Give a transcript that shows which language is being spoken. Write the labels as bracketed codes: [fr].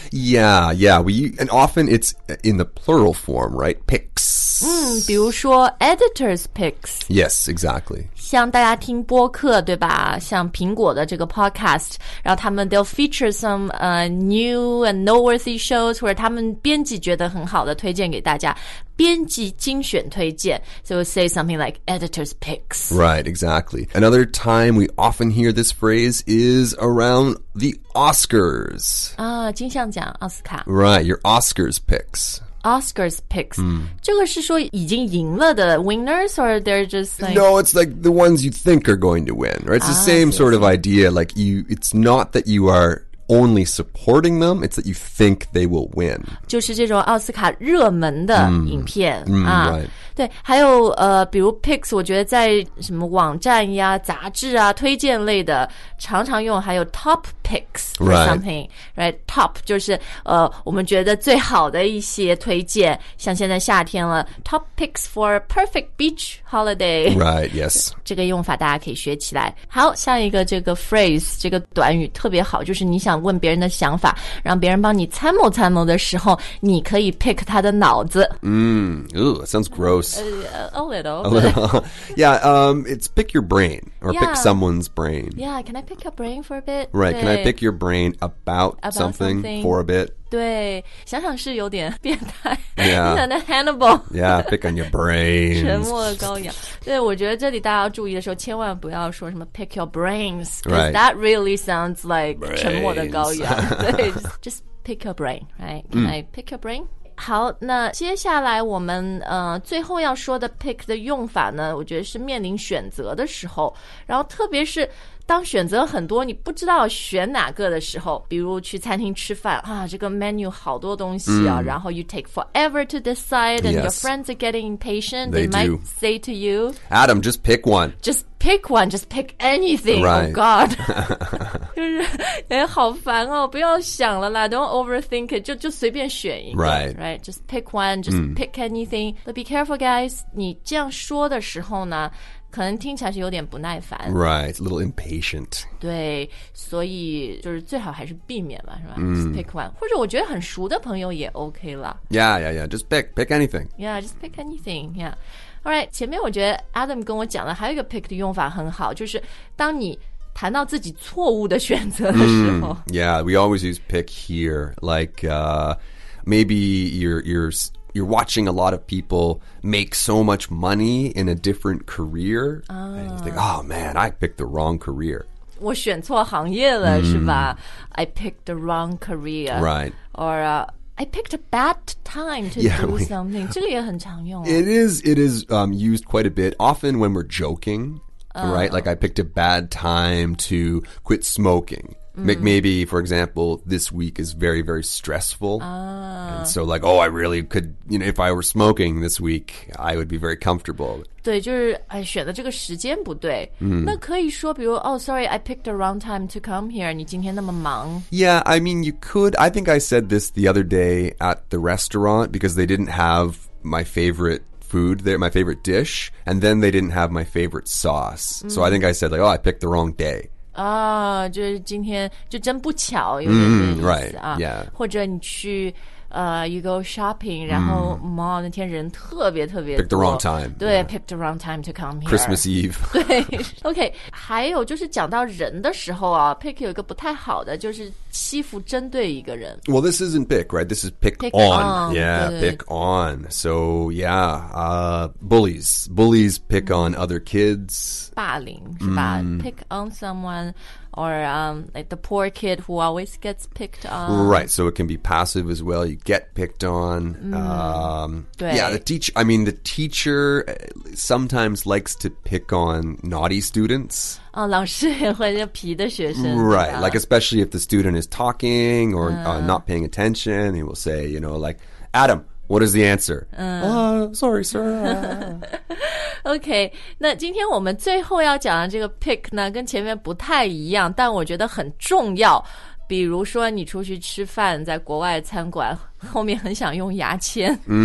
[en] Yeah, yeah. And often it's in the plural form, right? Picks. [zh] 比如说 editor's picks. [en] Yes, exactly. [zh] 像大家听播客对吧像苹果的这个 podcast, 然后他们 [en] they'll feature some、new and noteworthy shows, [zh] 或者他们编辑觉得很好的推荐给大家。编辑精选推荐 [en] So we'll say something like editor's picks. Right, exactly. Another time we often hear this phrase is around the Oscars. [zh] 啊、金像奖奥斯卡。 [en] Right, your Oscars picks. [zh] Oscars picks、这个是说已经赢了的 winners [en] or they're just like No, it's like the ones you think are going to win right? It's the same sort of idea like you, it's not that you are only supporting them it's that you think they will win [zh] 就是这种奥斯卡热门的影片、 [en] right. [zh] 对，还有比如 picks， 我觉得在什么网站呀、杂志啊、推荐类的常常用，还有 [en] top picks or something， right？ [zh] Top 就是我们觉得最好的一些推荐，像现在夏天了 ， [en] top picks for a perfect beach holiday， right？ Yes， [zh] 这个用法大家可以学起来。好，下一个这个 phrase 这个短语特别好，就是你想问别人的想法，让别人帮你参谋参谋的时候，你可以 pick 他的脑子。 [en] Sounds gross. A little. Yeah, it's pick your brain or pick someone's brain. Yeah, can I pick your brain for a bit? Right, can I pick your brain about something for a bit? [zh] 对，想想是有点变态。 [en] Yeah. [zh] 你想那 Hannibal. [en] Yeah, pick on your brain. [zh] 沉默羔羊。对，我觉得这里大家要注意的时候，千万不要说什么 [en] pick your brains. Right. That really sounds like [zh] 沉默的羔羊。 [en] 对，just pick your brain, right? Can I pick your brain? [zh] 好，那接下来我们最后要说的 pick 的用法呢，我觉得是面临选择的时候，然后特别是当选择很多你不知道选哪个的时候，比如去餐厅吃饭啊，这个 menu 好多东西啊，然后 [en] you take forever to decide and your friends are getting impatient, they might say to you, Adam, just pick one. Just pick anything. Right. Oh God. [zh] 就是哎，好烦哦，不要想了啦， [en] don't overthink it, [zh] 就随便选一个。 [en] Right. Just pick one, just pick anything. But be careful, guys, [zh] 你这样说的时候呢，可能听起来是有点不耐烦。 [en] Right, a little impatient. [zh] 对，所以就是最好还是避免吧，是吧？ [en] Just pick one. [zh] 或者我觉得很熟的朋友也 OK 了。 [en] Yeah. Just pick anything. Yeah, just pick anything, yeah. [zh] All right, 前面我觉得 Adam 跟我讲了还有一个 pick 的用法很好，就是当你谈到自己错误的选择的时候。 [en] Yeah, we always use pick here. Like, maybe you're watching a lot of people make so much money in a different career. And you think, oh man, I picked the wrong career. [zh] 我选错行业了是吧 [en] I picked the wrong career. Right. Or I picked a bad time to do something. [zh] 这个也很常用。 [en] It is used quite a bit, often when we're joking, right? Like I picked a bad time to quit smoking. Maybe, for example, this week is very, very stressful. And so like, oh, I really could, you know, if I were smoking this week, I would be very comfortable. [zh] 对，就是哎，选的这个时间不对。那可以说比如 [en] oh, sorry, I picked the wrong time to come here. [zh] 你今天那么忙。 [en] Yeah, I mean, you could. I think I said this the other day at the restaurant because they didn't have my favorite food there, my favorite dish. And then they didn't have my favorite sauce. So I think I said like, oh, I picked the wrong day. [zh] 就是今天就真不巧有点意思啊、 [en] right, yeah. [zh] 或者你去 [en] you go shopping [zh] 然后猫那天人特别特别多 [en] pick the wrong time 对、yeah. pick the wrong time to come here Christmas Eve [zh] 对 OK 还有就是讲到人的时候啊 pick 有一个不太好的就是欺负针对一个人 [en] Well this isn't pick right this is pick on yeah pick on so yeah bullies pick on other kids [zh] 霸凌是吧、 [en] pick on someoneOr like the poor kid who always gets picked on. Right, so it can be passive as well. You get picked on. The teacher sometimes likes to pick on naughty students. [zh] 老师也会那皮的学生。 [en] Right, like especially if the student is talking or not paying attention, he will say, you know, like, Adam, what is the answer? Sorry, sir. [zh] OK, 那今天我们最后要讲的这个 pick 呢跟前面不太一样但我觉得很重要比如说你出去吃饭在国外餐馆后面很想用牙签。